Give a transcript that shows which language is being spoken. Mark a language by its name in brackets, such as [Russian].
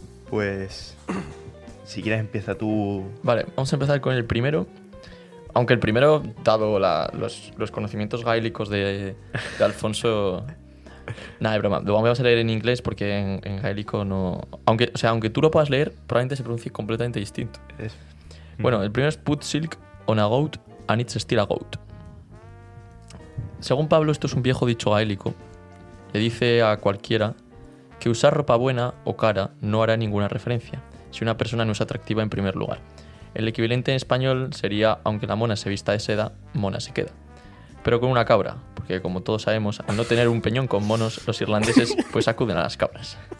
[Spanish] Pues... Si quieres, empieza tú... Vale, vamos a empezar con el primero. Aunque el primero, dado los conocimientos gaélicos de Alfonso... Nada, es broma. Lo vamos a leer en inglés porque en gaélico no... Aunque tú lo puedas leer, probablemente se pronuncie completamente distinto. Bueno, el primero es: [English] put silk on a goat and it's still a goat. [Spanish] Según Pablo, esto es un viejo dicho gaélico. Le dice a cualquiera que usar ropa buena o cara no hará ninguna referencia si una persona no es atractiva en primer lugar. El equivalente en español sería: aunque la mona se vista de seda, mona se queda. Pero con una cabra, porque como todos sabemos, al no tener un peñón con monos, los irlandeses pues acuden a las cabras.